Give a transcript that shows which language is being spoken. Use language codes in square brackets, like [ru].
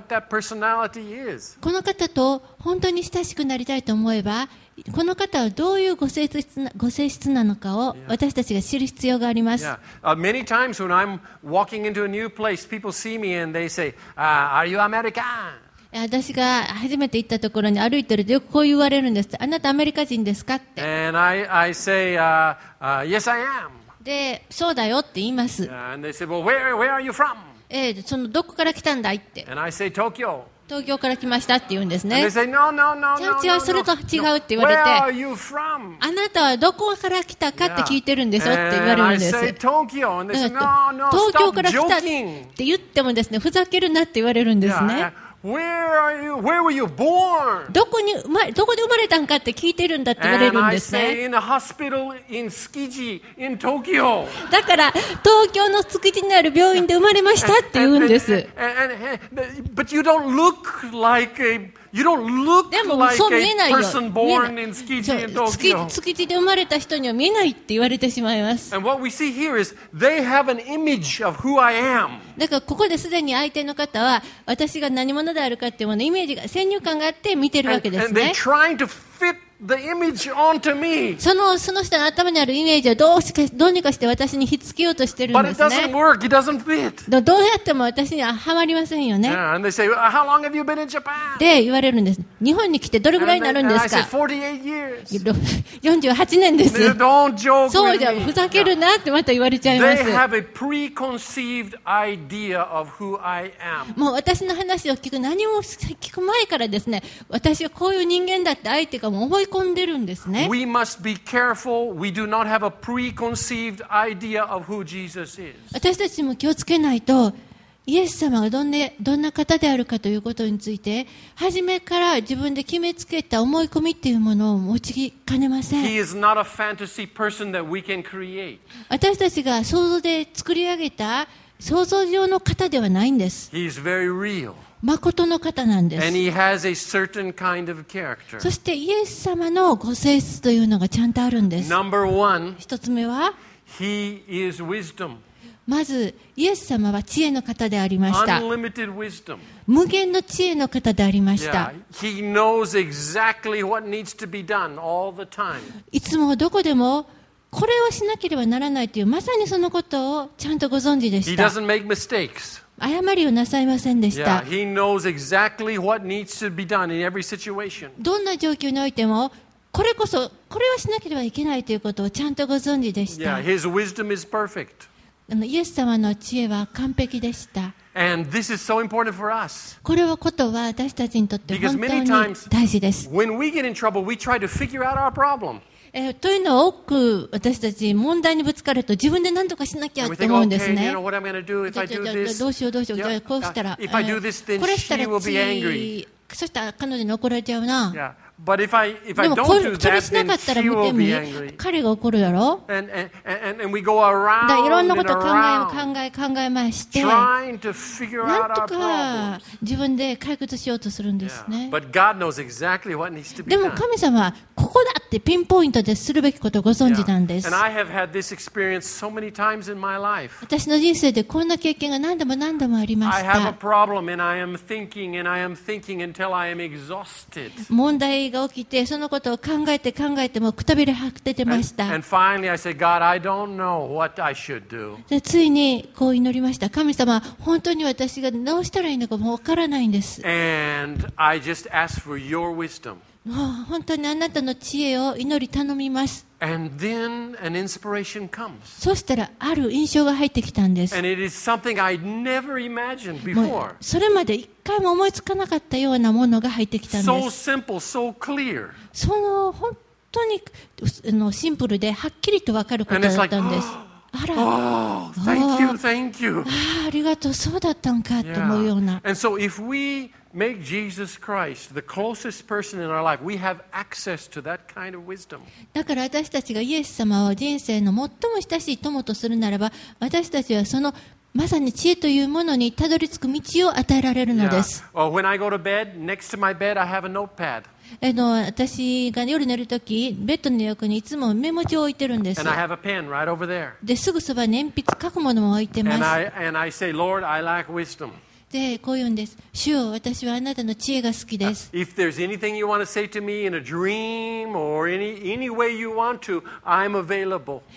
[ja] この方と本当に親しくなりたいと思えば、この方はどういうご性質なのかを私たちが知る必要があります。 [en] Many times when I'm walking into a new place, people see me and they say, "Are you American?" [ja] 私が初めて行ったところに歩いてるとよくこう言われるんです。あなたアメリカ人ですかって。 [en] And I say, yes, I am. [ja] で、そうだよって言います。 [en] And they say, well, where are you from? [ja] そのどこから来たんだいって。 [en] And I say, Tokyo. [ja] 東京から来ましたって言うんですね。違う、それと違うって言われて、あなたはどこから来たかって聞いてるんでしょって言われるんです。東京から来たって言ってもですね、ふざけるなって言われるんですね。 [en] Where were you born? [ja] どこで生まれたんかって聞いてるんだって言われるんですね。 [en] And I say in a hospital in Tsukiji in Tokyo. [ja] だから東京の築地にある病院で生まれましたって言うんです。 [en] But you don't look like a person born in Tsukiji in Tokyo. [ja] 築地で生まれた人には見えないって言われてしまいます。 [en] And what we see here is they have an image of who I am. [ja] だからここですでに相手の方は私が何者であるかっていうもののイメージが先入観があって見てるわけですね。 [en] and trying to fit the image onto me. [ja] その人の頭にあるイメージはどうにかして私に引っ付けようとしてるんですね。 [en] But it doesn't work. It doesn't fit. [ja] どうやっても私にはハマりませんよね。 [en] And they say, how long have you been in Japan? [ja] で言われるんです。日本に来てどれぐらいになるんですか。 [en] and I say, 48 [ja] years. 48年です。 [en] Don't joke with me. [ja] そうじゃふざけるなってまた言われちゃいます。 [en] They have a preconceived idea of who I am. [ja] もう私の話を聞く何も聞く前からですね、私はこういう人間だって相手がもう思い込んでるんですね。 [en] We must be careful. We do not have a preconceived idea of who Jesus is. [ja] 私たちも気をつけないとイエス様がどんな方であるかということについて初めから自分で決めつけた思い込みというものを持ちかねません。 [en] He is not a fantasy person that we can create. [ja] 私たちが想像で作り上げた想像上の方ではないんです。 [en] He is very real. [ja] 誠の方なんです。 [en] And he has a certain kind of character. [ja] そしてイエス様のご性質というのがちゃんとあるんです。 [en] Number one, [ja] 一つ目は [en] He is wisdom. [ja] まずイエス様は知恵の方でありました。無限の知恵の方でありました。いつもどこでもこれをしなければならないというまさにそのことをちゃんとご存知でした。誤りをなさいませんでした。どんな状況においてもこれこそこれをしなければいけないということをちゃんとご存知でした。 [en] His wisdom is perfect [ja] イエス様の知恵は完璧でした。 [en] And this is so important for us. [ja] これはことは私たちにとって本当に大事です。 [en] When we get in trouble, we try to figure out our problem. [ja] というのは多く私たち問題にぶつかると自分で何とかしなきゃって思うんですね。 [en] And we think, okay, you know what I'm going to do if I do this? [ja] どうしようどうしよう。じゃあこうしたら。 [en] If I do this, then she will be angry. [ja] そしたら彼女に怒られちゃうな。 [en] Yeah. But if I don't do that, then she will be angry. [ja] でもこれしなかったら見てみ、彼が怒るだろ。 [en] And we go around and around. [ja] だからいろんなことを考えまして、なんとか自分で解決しようとするんですね。 [en] But God knows exactly what needs to be done. [ja] でも神様はここだってピンポイントでするべきことをご存知なんです。 [en] And I have had this experience so many times in my life. [ja] 私の人生でこんな経験が何度も何度もありました。 [en] I have a problem and I am thinking and I am thinking until I am exhausted. [ja] 問題が起きてそのことを考えてもくたびれ果ててました。 [en] and finally I said, God, I don't know what I should do. [ja] でついにこう祈りました。神様本当に私がどうしたらいいのかもう分からないんです。 [en] and I just asked for your wisdom. [ja] もう本当にあなたの知恵を祈り頼みます。 [en] and then an inspiration comes. [ja] そしたらある印象が入ってきたんです。 [en] and it is something I'd never imagined before. [ja] もうそれまで一回も思いつかなかったようなものが入ってきたんです。 [en] So simple, so clear. [ja] その本当にシンプルではっきりと分かることだったんです。 [en] あら、 Oh, thank you, thank you. [ja] ありがとう、そうだったんか、yeah. と思うような。 [en] And so if we make Jesus Christ the closest person in our life, we have access to that kind of wisdom. [ja] だから私たちがイエス様を人生の最も親しい友とするならば、私たちはそのまさに知恵というものにたどり着く道を与えられるのです。私が夜寝るときベッドの横にいつもメモ帳を置いてるんです。 [en] And I have a pen right over there. [ja] ですぐそばに鉛筆書くものも置いてます。 [en] and I say, Lord, I lack wisdom. [ja] でこう言うんです。主よ、私はあなたの知恵が好きです。 [en] If there's anything you want to say to me in a dream or any way you want to, I'm available.